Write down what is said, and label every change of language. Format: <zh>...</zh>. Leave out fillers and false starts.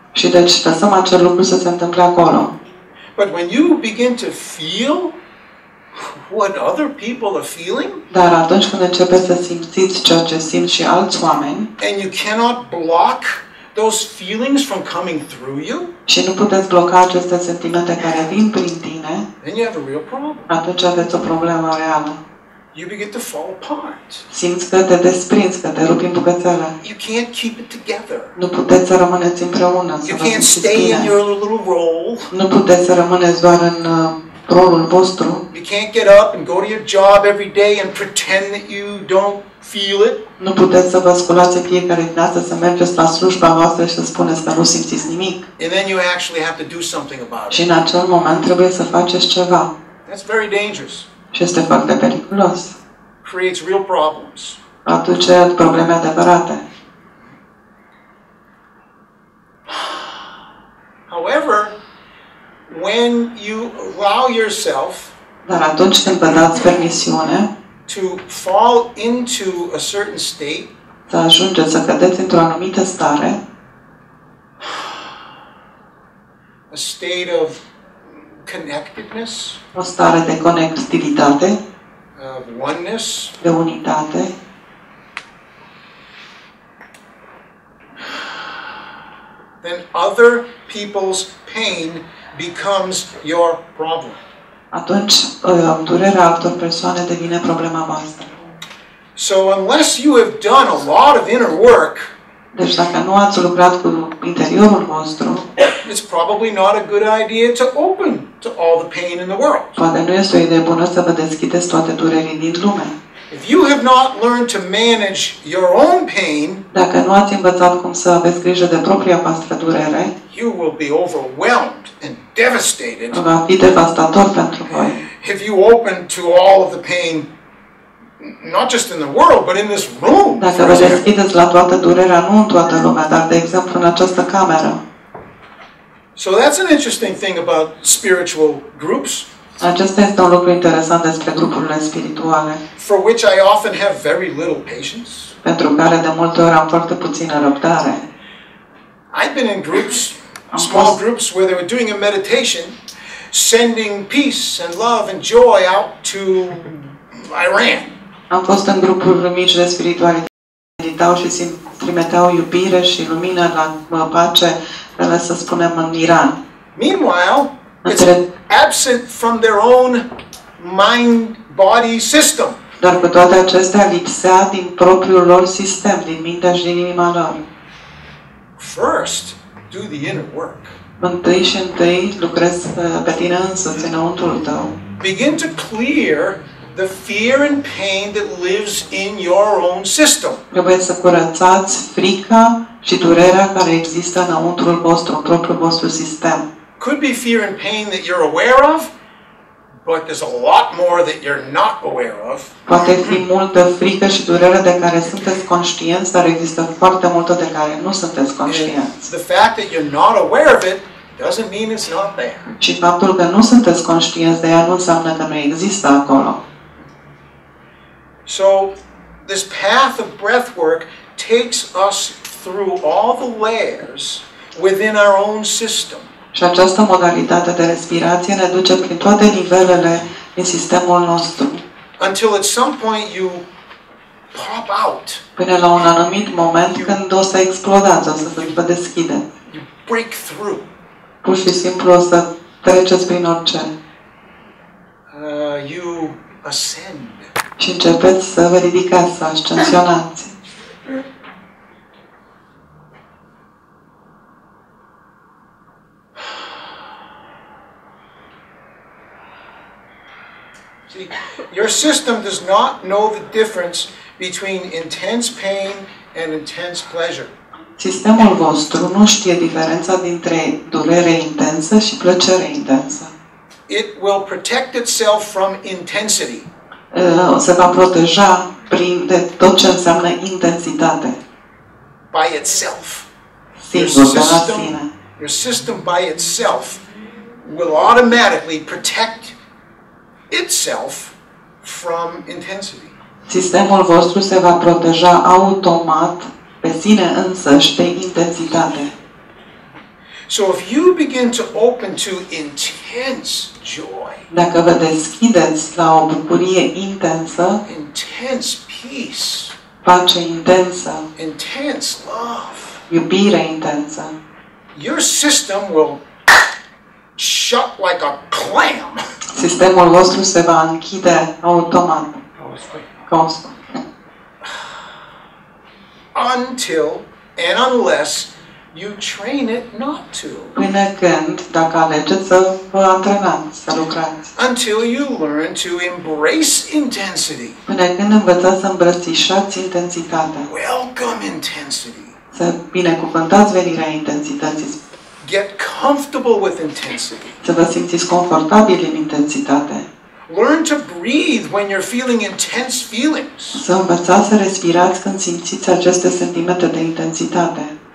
<ro>Și deci lăsăm acel lucru să se întâmple acolo.</ro> <en>But when you begin to feel what other people are feeling,</en> <ro>dar atunci când începeți să simțiți ceea ce simt și alți oameni,</ro> <en>and you cannot block those feelings from coming through you?</en> <ro>Și nu puteți bloca aceste sentimente care vin prin tine?</ro> <en>Then you have a real problem.</en> <ro>Atunci aveți o problemă reală.</ro> <en>You begin to fall apart.</en> <ro>Simți că te desprinzi, că te rupi în bucățele.</ro> <en>You can't keep it together.</en> <ro>Nu puteți să rămâneți împreună.</ro> <en>You can't stay in your little role.</en> <ro>Nu puteți să rămâneți doar în rolul vostru.</ro> <en>You can't get up and go to your job every day and pretend that you don't feel it.</en> <ro>Nu puteți să vă sculați în fiecare dimineață să mergeți la slujba voastră și să spuneți că nu simțiți nimic.</ro> <en>And then you actually have to do something about it.</en> <ro>Și în acel moment trebuie să faceți ceva.</ro> <en>That's very dangerous.</en> <ro>Și este foarte periculos.</ro> <en>Creates real problems.</en> <ro>Aduce probleme adevărate.</ro> <en>However, when you allow yourself,</en> <ro>dar atunci când vă dați permisiune,</ro> <en>to fall into a certain state,</en> <ro>să ajungeți să cădeți într-o anumită stare,</ro> <en>a state of connectedness,</en> <ro>o stare de conectivitate,</ro> <en>of oneness,</en> <ro>de unitate,</ro> <en>then other people's pain becomes your problem.</en> <ro>Atunci, durerea altor persoane devine problema voastră.</ro> <en>So unless you have done a lot of inner work,</en> <ro>deci dacă nu ați lucrat cu interiorul vostru,</ro> <en>it's probably not a good idea to open to all the pain in the world.</en> <ro>Poate nu este o idee bună să vă deschideți toate durerile din lume.</ro> <en>If you have not learned to manage your own pain,</en> <ro>dacă nu ați învățat cum să aveți grijă de propria voastră durere,</ro> <en>you will be overwhelmed and devastated.</en> <ro>Va fi devastator pentru voi.</ro> <en>If you open to all of the pain, not just in the world, but in this room.</en> <ro>Dacă vă deschideți la toată durerea, nu în toată lumea, dar de exemplu în această cameră.</ro> <en>So that's an interesting thing about spiritual groups.</en> <ro>Acesta este un lucru interesant despre grupurile spirituale.</ro> <en>For which I often have very little patience.</en> <ro>Pentru care de multe ori am foarte puțină răbdare.</ro> <en>I've been in groups, small groups where they were doing a meditation, sending peace and love and joy out to Iran.</en> <ro>Am fost în grupuri mici de spiritualitate, meditau și trimiteau iubire și lumină la pace, să spunem, în Iran.</ro> <en>Meanwhile, it's absent from their own mind-body system.</en> <ro>Dar cu toate acestea lipsea din propriul lor sistem, din mintea și din inima lor.</ro> <en>First, do the inner work.</en> <ro>Întâi și întâi lucrez pe tine însuți, înăuntrul tău.</ro> <en>Begin to clear the fear and pain that lives in your own system.</en> <ro>Trebuie să curățați frica și durerea care există înăuntrul vostru, în propriul vostru sistem.</ro> <en>Could be fear and pain that you're aware of, but there's a lot more that you're not aware of.</en> <ro>Poate fi multă frică și durere de care sunteți conștienți, dar există foarte multă de care nu sunteți conștienți.</ro> <en>The fact that you're not aware of it doesn't mean it's not there.</en> <ro>Și faptul că nu sunteți conștienți de ea nu înseamnă că nu există acolo.</ro> <en>So this path of breathwork takes us through all the layers within our own system.</en> <ro>Și această modalitate de respirație ne duce prin toate nivelele din sistemul nostru.</ro> <en>Until at some point you pop out.</en> <ro>Până la un anumit moment când o să explodați, o să vă deschide.</ro> <en>You break through.</en> <ro>Pur și simplu o să treceți prin orice.</ro> <en>You ascend.</en> <ro>Și începeți să vă ridicați, să ascensionați.</ro> <en>Your system does not know the difference between intense pain and intense pleasure.</en> <ro>Sistemul vostru nu știe diferența dintre durere intensă și plăcere intensă.</ro> <en>It will protect itself from intensity.</en> <ro>Se va proteja prin de tot ce înseamnă intensitate.</ro> <en>By itself. Your system by itself will automatically protect itself from intensity.</en> <ro>Sistemul vostru se va proteja automat pe sine însăși de intensitate.</ro> <en>So if you begin to open to intense joy.</en> <ro>Dacă vă deschideți la o bucurie intensă.</ro> <en>Intense peace.</en> <ro>Pace intensă.</ro> <en>Intense love.</en> <ro>Iubire intensă.</ro> <en>Your system will shut like a clam.</en> <ro>Sistemul vostru se va închide automat.</ro> <en>Until and unless you train it not to.</en> <ro>Până când, dacă alegeți să vă antrenați, să lucrați.</ro> <en>Until you learn to embrace intensity.</en> <ro>Până când învățați să îmbrățișați intensitatea.</ro> <en>Welcome intensity.</en> <ro>Să binecuvântați venirea intensității.</ro> <en>Get comfortable with intensity.</en> <ro>Să vă simțiți confortabil în intensitate.</ro> <en>Learn to breathe when you're feeling intense feelings.</en> <ro>Să învățați să respirați când simțiți aceste sentimente de intensitate.</ro>